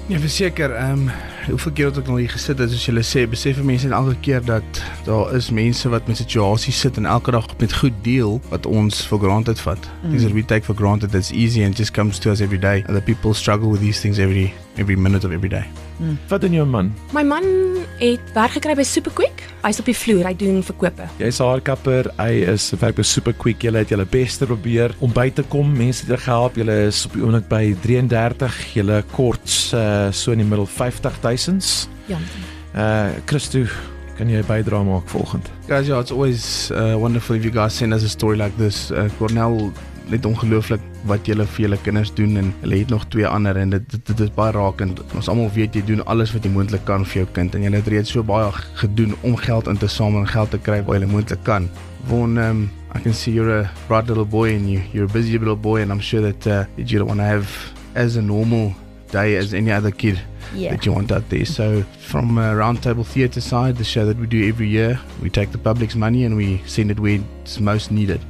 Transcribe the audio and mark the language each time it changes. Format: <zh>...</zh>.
<af>Ja, verseker, hoeveel keer het ek nou hier gesit, het, soos julle sê, besef mense in elke keer dat daar is mense wat met situasies sit en elke dag met goed deel wat ons</af> <en>for granted</en> <af>vat.</af> <en>These are we take for granted, it's easy and it just comes to us every day. Other people struggle with these things every minute of every day.</en> <af>Wat doen jou man? My man het werk gekry by Superquick. Hy is op die vloer, hy doen verkope. Jy is haarkapper, hy is werk by Superquick. Julle het julle beste probeer om by te kom. Mense het julle gehelp. Julle is op die oomblik by 33. Julle kort so in die middel 50,000. Ja. Christo, kan jy bydra maak volgend?</af> <en>Guys, yeah, it's always wonderful if you guys send us a story like this.</en> <af>Cornel, net ongelooflik wat jy vir jou kinders doen en hulle het nog twee ander en dit is baie raakend. Ons almal weet jy doen alles wat jy moontlik kan vir jou kind en jy het reeds so baie gedoen om geld in te samel en geld te kry wat jy moontlik kan.</af> <en>Von I can see you're a bright little boy and you're a busy little boy and I'm sure that you don't want to have as a normal day as any other kid. Yeah. That you want out there. So from Roundtable Theatre side, the show that we do every year, we take the public's money and we send it where it's most needed.</en>